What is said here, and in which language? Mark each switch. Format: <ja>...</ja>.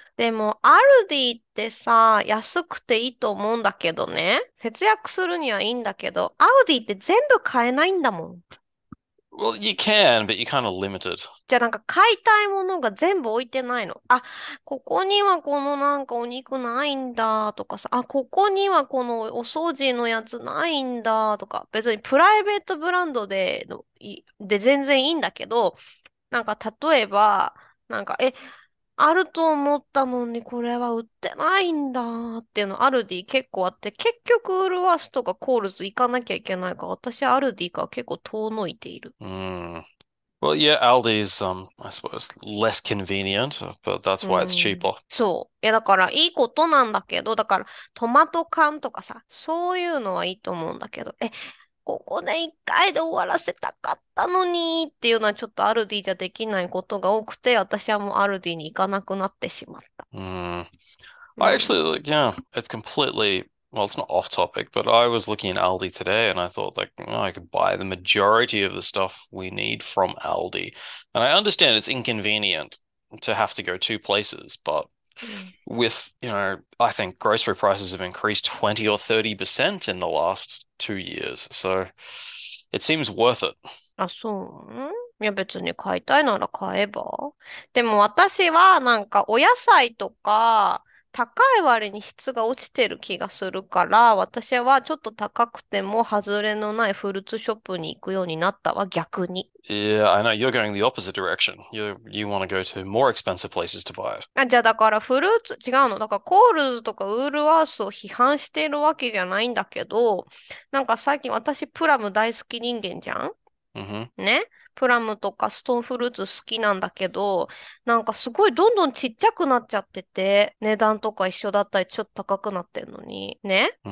<ja>でも、アルディってさ、安くていいと思うんだけどね。節約するにはいいんだけど、アウディって全部買えないんだもん。</ja> <en>Well, you can, but you're kind of limited.</en> <ja>じゃあなんか買いたいものが全部置いてないの。あ、ここにはこのなんかお肉ないんだとかさ、あ、ここにはこのお掃除のやつないんだとか、別にプライベートブランドで、で全然いいんだけど、なんか例えば、なんか、え、あると思ったのにこれは売ってないんだっていうのアルディ結構あって、結局ウルワースとかコールズ行かなきゃいけないから、私アルディから結構遠のいている。</ja> <en>Well, yeah, Aldi's, I suppose, less convenient, but that's why it's ん、 cheaper.</en> <ja>そう。いや、だから、いいことなんだけど、だから、トマト缶とかさ、そういうのはいいと思うんだけど、え、ここで一回で終わらせたかったのにっていうのは、ちょっとアルディじゃできないことが多くて、私はもうアルディに行かなくなってしまった。</ja> <en>I actually, like, yeah, it's completely. Well, it's not off topic, but I was looking at Aldi today and I thought, like, oh, I could buy the majority of the stuff we need from Aldi. And I understand it's inconvenient to have to go two places, but with, I think grocery prices have increased 20 or 30% in the last 2 years. So it seems worth it.</en> <ja>あ、そう？いや、別に買いたいなら買えば。でも私はなんかお野菜とか高い割に質が落ちてる気がするから、私はちょっと高くても外れのないフルーツショップに行くようになったわ、逆に。</ja> <en>Yeah, I know you're going the opposite direction. You want to go to more expensive places to buy it.</en> <ja>あ、じゃあだからフルーツ、違うの。だからコールズとかウールワースを批判しているわけじゃないんだけど、なんか最近私プラム大好き人間じゃん？ね？プラムとかストーンフルーツ好きなんだけど、なんかすごいどんどんちっちゃくなっちゃってて、値段とか一緒だったりちょっと高くなってんのに、ね？</ja>